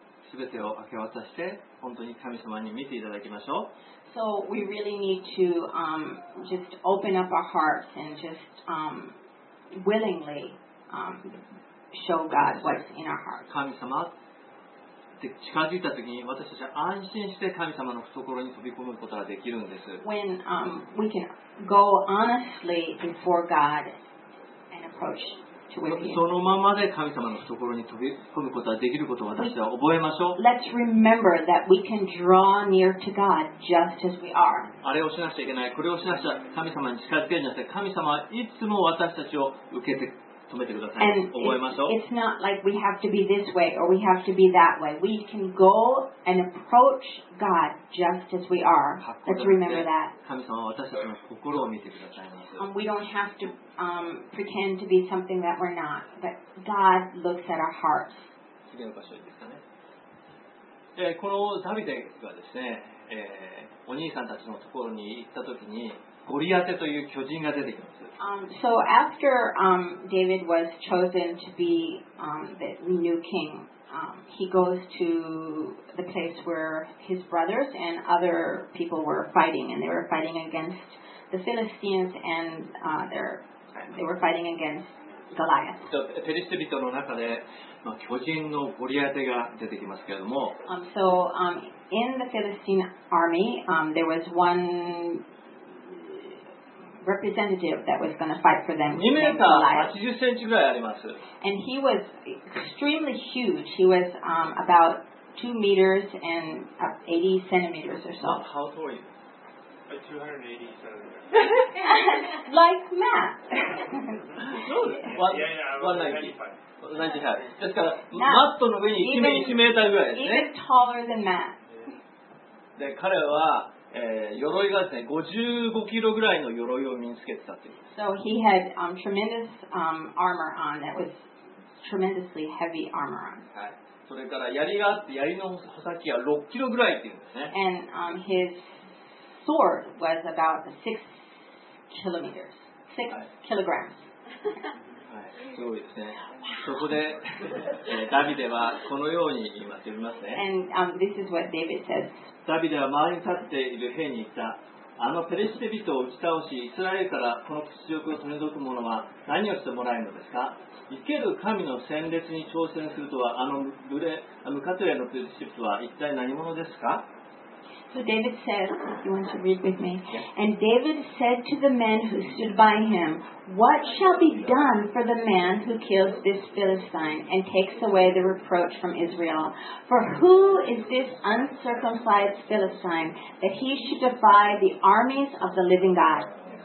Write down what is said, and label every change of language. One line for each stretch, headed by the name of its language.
Japanese: すべてを明け渡して本当に神様に見ていただきましょう。
English: So we really need to、just open up our hearts and just、willingly、show God what's in our hearts.
Japanese: 神様って近づいた時に私たちは安心して神様の懐に飛び込むことができるんです。
English: When、we can go honestly before God and approach Him.
Japanese: そのままで神様の懐に飛び込むことができることを私は覚えましょう。
English: Let's remember that we can draw near to God just as we are.
Japanese: あれをしなくちゃいけない、これをしなくちゃ神様に近づけるんじゃなくて、神様はいつも私たちを受けて止めてください。
English: And、
Japanese: 覚えましょう。
English: It's not like we have to be this way or we have to be that way. We can go and approach God just as we are. Let's remember that.
Japanese: 神様は私たちの心を見てくださいます。
English: We don't have to、pretend to be something that we're not, but God looks at our hearts.
Japanese: 次の場所ですかね。このダビデがですね、お兄さんたちのところに行ったときに、ゴリアテという巨人が出てきます。
English: So after、David was chosen to be、the new king,、he goes to the place where his brothers and other people were fighting, and they were fighting against the Philistines and、they were fighting against Goliath.
Japanese: So, ペリシテ人の中で、まあ、巨人のゴリアテが出てきますけれども。
English: So、in the Philistine army,、there was one. Representative that was going to fight for them. 2 meters 80 centimeters
Japanese: ぐらいあります。
English: And he was extremely huge. He was、about 2 meters and 80 centimeters or so. How tall are you? By 280 centimeters. Like Matt. No. What? Yeah, yeah. 195.
Japanese: ですから、Matt の上に1 meter ぐらいですね。
English: Even taller than Matt.
Japanese: で、彼は鎧がですね、55キロぐらいの鎧を身につけてたという。
English: So he had、tremendous、armor on that was tremendously heavy armor on.
Japanese: はい。それから槍があって、槍の刃先は6キロぐらいっていうんですね。
English: And、his sword was about 6 kilometers. 6 kilograms.
Japanese: はい。すごいですね。そこで、ダビデはこのように言います。読みますね。
English: And、this is what David says.
Japanese: ダビデは周りに立っている兵に言った。あのペリシテ人を打ち倒し、イスラエルからこの屈辱を取り除く者は何をしてもらえるのですか。生ける神の戦列に挑戦するとは、あのムカトレのペリシテ人は一体何者ですか。
English: So David said, if you want to read with me. And David said to the men who stood by him, What shall be done for the man who kills this Philistine and takes away the reproach from Israel? For who is this uncircumcised Philistine that he should defy the armies of the living God?